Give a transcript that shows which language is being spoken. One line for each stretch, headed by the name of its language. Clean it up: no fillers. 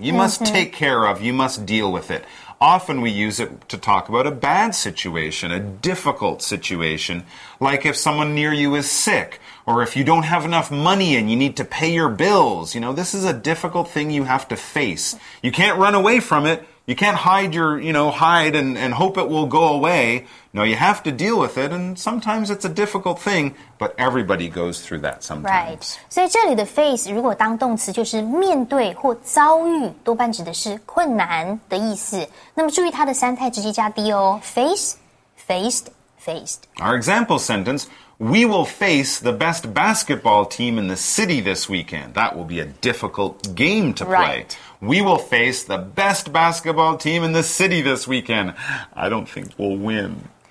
English: You must take care of. You must deal with it. Often we use it to talk about a bad situation, a difficult situation, like if someone near you is sick, or if you don't have enough money and you need to pay your bills. You know, this is a difficult thing you have to face. You can't run away from it. You can't hide your, you know, hide and hope it will go away. No, you have to deal with it, and sometimes it's a difficult thing, but everybody goes through that sometimes. Right.
Chinese: 所以这里的 face 如果当动词就是面对或遭遇，多半指的是困难的意思。那么注意它的三态直接加 d 哦 face, faced, faced.
English: Our example sentence, we will face the best basketball team in the city this weekend. That will be a difficult game to play. Right. We will face the best basketball team in the city this weekend. I don't think we'll win.